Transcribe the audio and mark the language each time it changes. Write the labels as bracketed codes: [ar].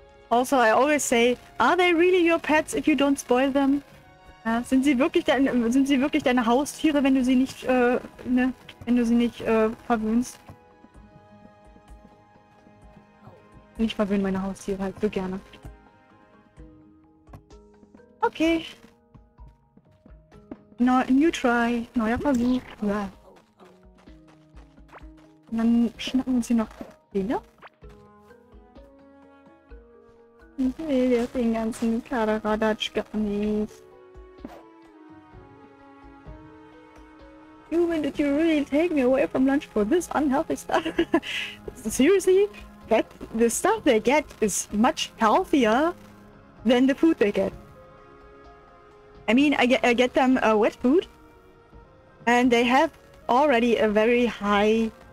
[en] Also, I always say, are they really your pets if you don't spoil them? [de] Ja, sind sie wirklich deine Haustiere, wenn du sie nicht, verwöhnst? Ich verwöhne meine Haustiere halt so gerne. Okay. [en] New try. [de] Neuer Versuch. Ja. Und dann schnappen wir uns hier noch den, ne? Ich will jetzt den ganzen Kaderadatsch gar nicht. [en] Human, did you really take me away from lunch for this unhealthy stuff? Seriously? That the stuff they get is much healthier than the food they get. I mean, I get them wet food, and they have already a very high.